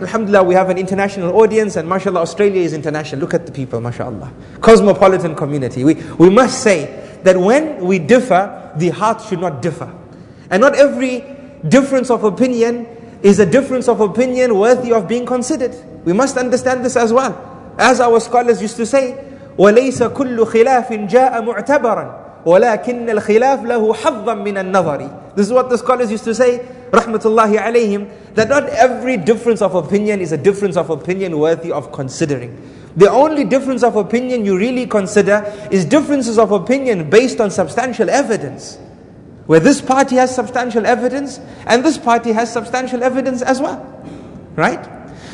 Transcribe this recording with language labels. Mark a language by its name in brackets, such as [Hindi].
[English] Alhamdulillah, we have an international audience and mashallah, Australia is international. Look at the people, mashallah. Cosmopolitan community. We must say that when we differ, the heart should not differ. And not every difference of opinion is a difference of opinion worthy of being considered. We must understand this as well. As our scholars used to say, [Arabic] وَلَيْسَ كُلُّ خِلَافٍ جَاءَ مُعْتَبَرًا وَلَكِنَّ الْخِلَافِ لَهُ حَظًّا مِنَ النَّظَرِ. [English] This is what the scholars used to say, rahmatullahi alayhim, that not every difference of opinion is a difference of opinion worthy of considering. The only difference of opinion you really consider is differences of opinion based on substantial evidence. Where this party has substantial evidence, and this party has substantial evidence as well. Right?